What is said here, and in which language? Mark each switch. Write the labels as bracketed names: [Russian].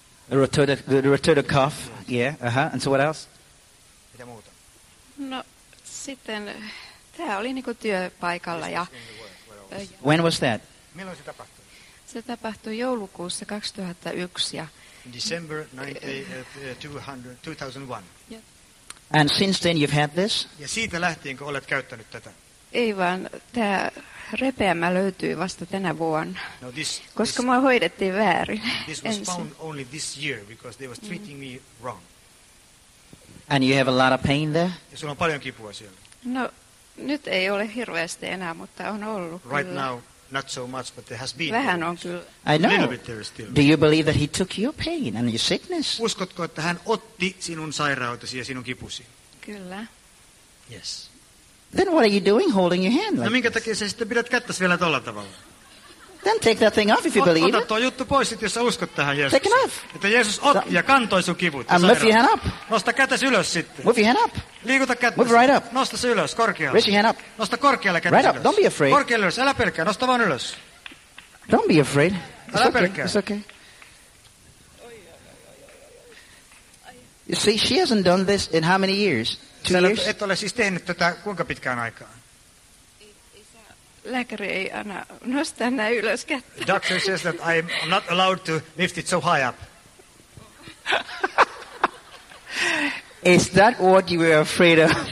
[English] Rotator cuff, yeah, uh-huh, and so what else? [Finnish] No sitten tämä oli niinku työpaikalla ja [English] when was that? [Finnish] Milloin se tapahtui? Se tapahtui joulukuussa 2001 ja [English] in December 2001. And since then you've had this? [Finnish] Ja siitä lähtien kun olet käyttänyt tätä. Ei vaan tämä repeämä löytyi vasta tänä vuonna. [English] No, this, [Finnish] koska mua hoidettiin väärin. [English] This was found only this year because they was treating me wrong. And you have a lot of pain there? [Finnish] Ja sulla on paljon kipua siellä. No nyt ei ole hirveästi enää, mutta on ollut. [English] Right [Finnish] kyllä. [English] Now, not so much, but there has been. [Finnish] Vähän on kyllä. [English] I know. Little bit there still. Do you believe that he took your pain and your sickness? [Finnish] Uskotko, että hän otti sinun sairautesi ja sinun kipusi? Kyllä. [English] Yes. Then what are you doing holding your hand like [Finnish] no, minkä takia sä sitten pidät kättäsi vielä tolla tavalla? [English] Then take that thing off if you believe it. [Finnish] Ota tuo juttu pois sitten, jos sä uskot tähän Jeesus. [English] Take it off. [Finnish] Että Jeesus otti ja kantoi sun kivut. [English] And lift your hand up. [Finnish] Nosta kätäsi ylös sitten. [English] Move your hand up. [Finnish] Liikuta kätäsi. [English] Move right up. [Finnish] Nosta se ylös, korkealle. [English] Raise your hand up. [Finnish] Nosta korkealle kätäsi [English] right up. Don't be afraid. [Finnish] Korkealle ylös, älä pelkää, nosta vaan ylös. [English] Don't be afraid. [Finnish] Älä [English] okay. [Finnish] pelkää. [English] It's okay. You see, she hasn't done this in how many years? Two years? [Finnish] Et ole siis tehnyt tätä kuinka pitkään aikaan? Lääkäri ei anna nostaa näin ylös kättä. [English] Doctor says that I'm not allowed to lift it so high up. Is that what you were afraid of?